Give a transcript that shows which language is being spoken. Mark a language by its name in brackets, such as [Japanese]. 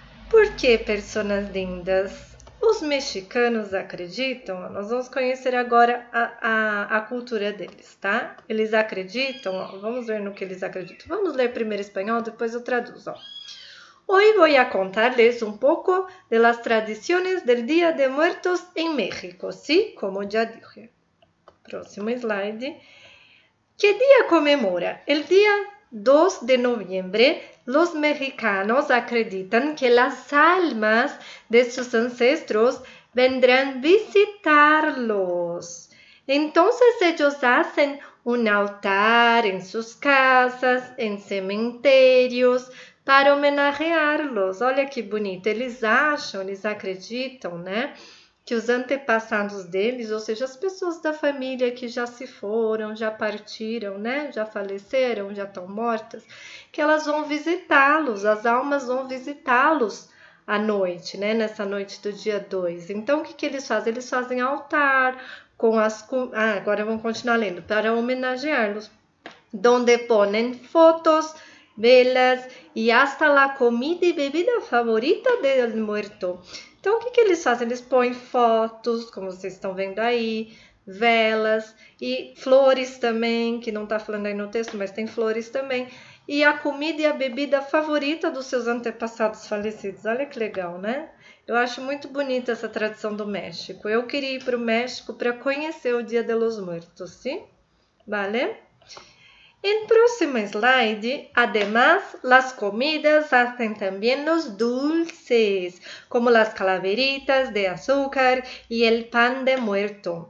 [Portuguese] Por que, pessoas lindas? Os mexicanos acreditam, nós vamos conhecer agora a cultura deles, tá? Eles acreditam, ó, vamos ver no que eles acreditam. Vamos ler primeiro espanhol, depois eu traduzo, ó. [Spanish] Hoy voy a contarles un poco de las tradiciones del Día de Muertos en México, ¿sí? Como ya dije. Próximo slide. ¿Qué día conmemora? El día 2 de noviembre, los mexicanos acreditan que las almas de sus ancestros vendrán a visitarlos. Entonces ellos hacen un altar en sus casas, en cementerios, para homenajearlos. [Portuguese] Olha que bonito. Eles acham, eles acreditam, né? Que os antepassados deles, ou seja, as pessoas da família que já se foram, já partiram, né? Já faleceram, já estão mortas, que elas vão visitá-los, as almas vão visitá-los à noite, né? Nessa noite do dia 2. Então, o que que eles fazem? Eles fazem altar com as... Ah, agora vamos continuar lendo. Para homenageá-los. [Spanish] Donde ponen fotos, velas e hasta la comida e bebida favorita del muerto. [Portuguese] Então, o que que eles fazem? Eles põem fotos, como vocês estão vendo aí, velas e flores também, que não está falando aí no texto, mas tem flores também. E a comida e a bebida favorita dos seus antepassados falecidos. Olha que legal, né? Eu acho muito bonita essa tradição do México. Eu queria ir para o México para conhecer o Dia de los Muertos, sim? [Spanish] Vale? En próximo slide, además, las comidas hacen también los dulces, como las calaveritas de azúcar y el pan de muerto.